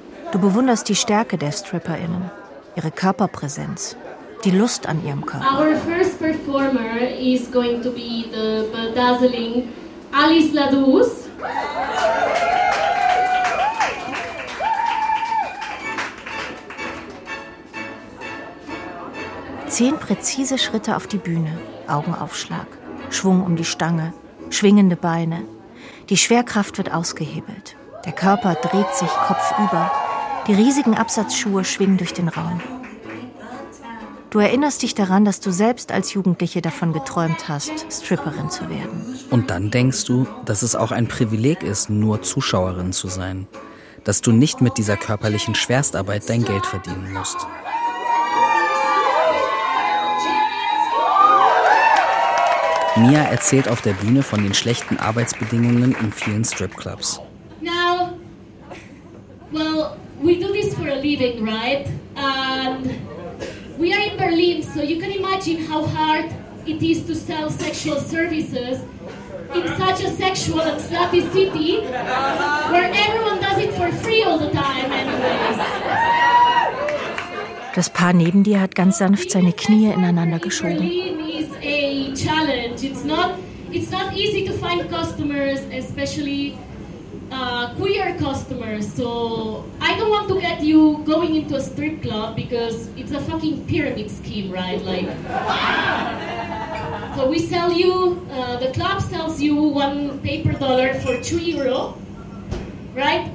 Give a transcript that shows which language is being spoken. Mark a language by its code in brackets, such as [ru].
[de] Du bewunderst die Stärke der StripperInnen, ihre Körperpräsenz, die Lust an ihrem Körper. [en] Our first performer is going to be the bedazzling Alice Ladouze. [de] Zehn präzise Schritte auf die Bühne, Augenaufschlag, Schwung um die Stange, schwingende Beine. Die Schwerkraft wird ausgehebelt. Der Körper dreht sich kopfüber. Die riesigen Absatzschuhe schwingen durch den Raum. Du erinnerst dich daran, dass du selbst als Jugendliche davon geträumt hast, Stripperin zu werden. Und dann denkst du, dass es auch ein Privileg ist, nur Zuschauerin zu sein. Dass du nicht mit dieser körperlichen Schwerstarbeit dein Geld verdienen musst. Mia erzählt auf der Bühne von den schlechten Arbeitsbedingungen in vielen Stripclubs. [en] Now, well, we do this for a living, right? We are in Berlin, so you can imagine how hard it is to sell sexual services in such a sexual and slutty city where everyone does it for free all the time anyways. [de] Das Paar neben dir hat ganz sanft seine Knie ineinander geschoben. [en] Challenge. It's not easy to find customers, especially queer customers. So I don't want to get you going into a strip club because it's a fucking pyramid scheme, right? Like, so we sell you, the club sells you one paper dollar for €2, right?